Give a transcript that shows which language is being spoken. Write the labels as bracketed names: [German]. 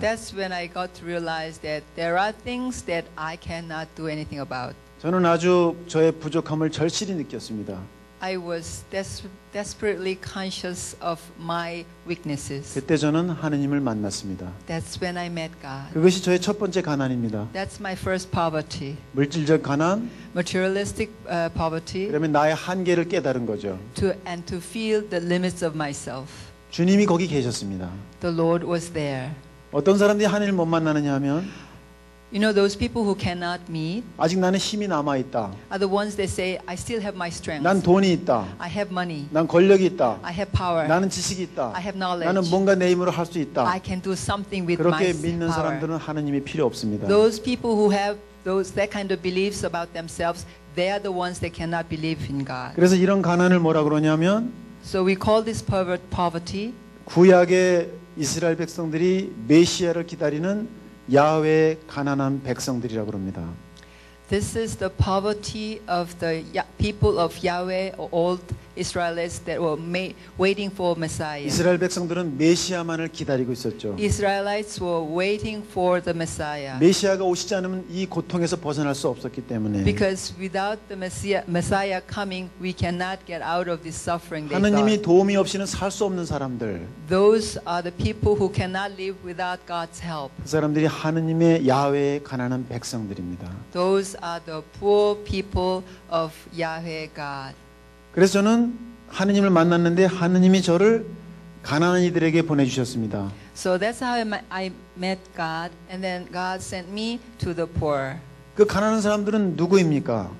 [English] That's when I got to realize that there are things that I cannot do anything about. [Korean] 저는 아주 저의 부족함을 절실히 느꼈습니다. [English] I was desperately conscious of my weaknesses. [Korean] 그때 저는 하느님을 만났습니다. [English] That's when I met God. [Korean] 그것이 저의 첫 번째 가난입니다. [English] That's my first poverty. [Korean] 물질적 가난. [English] Materialistic poverty. [Korean] 그러면 나의 한계를 깨달은 거죠. [English] To feel the limits of myself. [Korean] 주님이 거기 계셨습니다. [English] The Lord was there. [Korean] 어떤 사람들이 하느님을 못 만나느냐 하면 [English] You know those people who cannot meet. [Korean] 아직 나는 힘이 남아 있다. [English] Are the ones that say I still have my strength. [Korean] 난 돈이 있다. [English] I have money. [Korean] 난 권력이 있다. [English] I have power. [Korean] 나는 지식이 있다. [English] I have knowledge. [Korean] 나는 뭔가 내 힘으로 할 수 있다. [English] I can do something with my [Korean] 그렇게 믿는 [English] power. [Korean] 사람들은 하느님이 필요 없습니다. [English] Those people who have those that kind of beliefs about themselves, they are the ones that cannot believe in God. [Korean] 그래서 이런 가난을 뭐라 그러냐면 [English] So we call this poverty. [Korean] 구약의 이스라엘 백성들이 메시아를 기다리는 야훼의 가난한 백성들이라고 그럽니다. [English] This is the poverty of the people of Yahweh, old Israelites that were waiting for Messiah. [Korean] 이스라엘 백성들은 메시아만을 기다리고 있었죠. [English] Israelites were waiting for the Messiah. [Korean] 메시아가 오시지 않으면 이 고통에서 벗어날 수 없었기 때문에. [English] Because without the Messiah coming, we cannot get out of this suffering. [Korean] 하느님이 도움이 없이는 살 수 없는 사람들. [English] Those are the people who cannot live without God's help. [Korean] 그 사람들이 하느님의 야훼의 가난한 백성들입니다. [English] Those are the poor people of Yahweh God. [Korean] 그래서 저는 하느님을 만났는데 하느님이 저를 가난한 이들에게 보내주셨습니다. [English] So that's how I met God, and then God sent me to the poor. [Korean] 그 가난한 사람들은 누구입니까?